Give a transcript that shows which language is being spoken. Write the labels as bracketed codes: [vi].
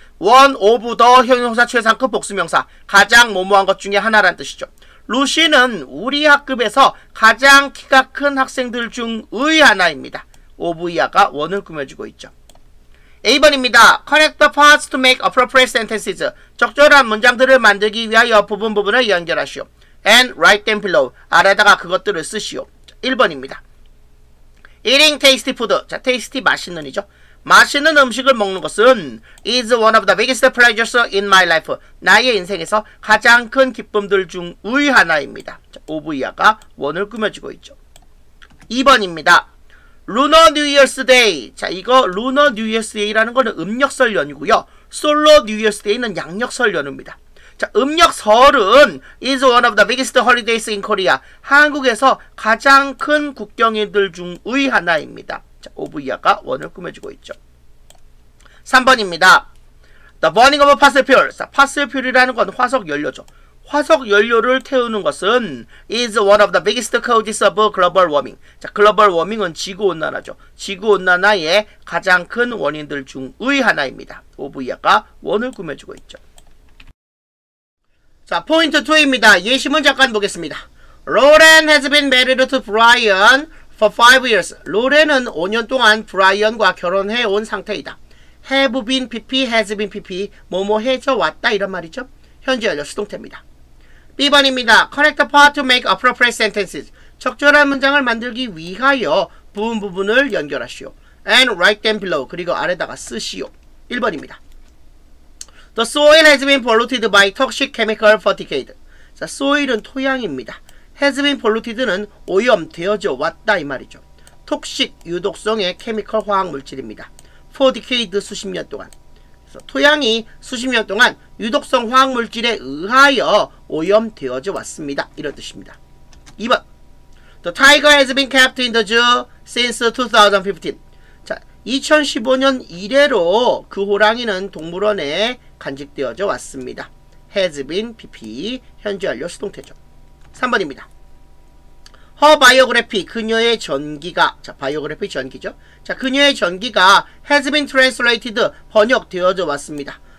[en] One of the [ko] 형용사 최상급 복수명사. 가장 모모한 것 중에 하나란 뜻이죠. Lucy는 우리 학급에서 가장 키가 큰 학생들 중의 하나입니다. of 이하가 1을 꾸며주고 있죠. [en] A번입니다. Connect the parts to make appropriate sentences. [ko] 적절한 문장들을 만들기 위하여 부분 부분을 연결하시오. [en] And write them below. [ko] 아래다가 그것들을 쓰시오. [en] 1번입니다. Eating tasty food. 자, tasty 맛있는이죠. [ko] 맛있는 음식을 먹는 것은 [en] is one of the biggest pleasures in my life. [ko] 나의 인생에서 가장 큰 기쁨들 중의 하나입니다. 자, 오브이아가 원을 꾸며주고 있죠. [en] 2번입니다. Lunar New Year's Day. 자, 이거 Lunar New Year's Day라는 거는 [ko] 음력설 연휴고요. Solar New Year's Day는 양력설 연휴입니다. 자, 음력설은 [en] is one of the biggest holidays in Korea. [ko] 한국에서 가장 큰 국경일들 중의 하나입니다. 자, 오브이아가 원을 꾸며주고 있죠. [en] 3번입니다. The burning of fossil fuels. 자, fossil fuel이라는 건 [ko] 화석 연료죠. 화석 연료를 태우는 것은 [en] is one of the biggest causes of global warming. [ko] 자, 글로벌 워밍은 지구 온난화죠. 지구 온난화의 가장 큰 원인들 중의 하나입니다. 오브이아가 원을 꾸며주고 있죠. 자, 포인트 2입니다. 예시문 잠깐 보겠습니다. [en] Lauren has been married to Brian for 5 years. [ko] 로렌은 5년 동안 브라이언과 결혼해 온 상태이다. [en] Have been PP, has been PP, [ko] 뭐뭐 해서 왔다 이런 말이죠. 현재 완료 수동태입니다. [en] B번입니다. Correct the part to make appropriate sentences. [ko] 적절한 문장을 만들기 위하여 부분 부분을 연결하시오. [en] And write them below. [ko] 그리고 아래다가 쓰시오. 1번입니다. [en] The soil has been polluted by toxic chemical for decades. [ko] 자, soil은 토양입니다. Has been polluted는 오염되어져 왔다 이 말이죠. Toxic 유독성의 chemical 화학 물질입니다. For decades 수십 년 동안. 토양이 수십 년 동안 유독성 화학물질에 의하여 오염되어져 왔습니다. 이런 뜻입니다. 2번. [en] The tiger has been kept in the zoo since 2015. [ko] 자, 2015년 이래로 그 호랑이는 동물원에 간직되어져 왔습니다. Has been PP, 현재 완료 수동태죠. 3번입니다. [en] Her biography, [ko] 그녀의 전기가. 자, biography 전기죠. 자, 그녀의 전기가 [en] has been translated, [ko] 번역되어져 왔습니다.